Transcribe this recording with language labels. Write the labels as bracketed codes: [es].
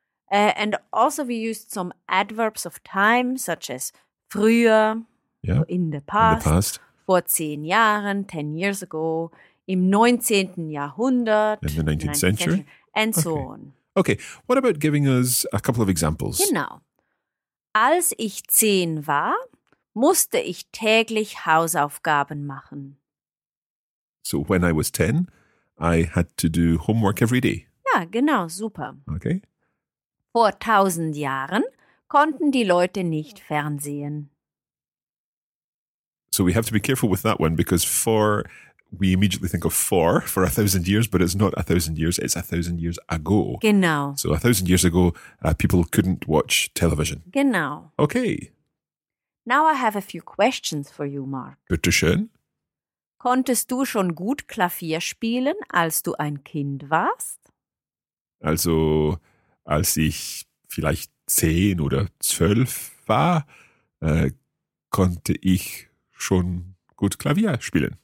[en] And also we used some adverbs of time, such as früher, in the past, [de] vor 10 Jahren, [en] 10 years ago, [de] im 19. Jahrhundert. [en] In the 19th century. And so on. Okay, what about giving us a couple of examples? [de] Genau. Als ich 10 war, musste ich täglich Hausaufgaben machen. [en] So when I was 10, I had to do homework every day. [de] Ja, genau, super. [en] Okay. [de] Vor 1000 Jahren konnten die Leute nicht fernsehen. [en] So we have to be careful with that one because we immediately think of for 1000 years, but it's not 1000 years, it's 1000 years ago. [de] Genau. [en] So 1000 years ago, people couldn't watch television. [de] Genau. [en] Okay. Now I have a few questions for you, Mark. [de] Bitte schön. Konntest du schon gut Klavier spielen, als du ein Kind warst? Also, als ich vielleicht 10 oder 12 war, konnte ich schon gut Klavier spielen.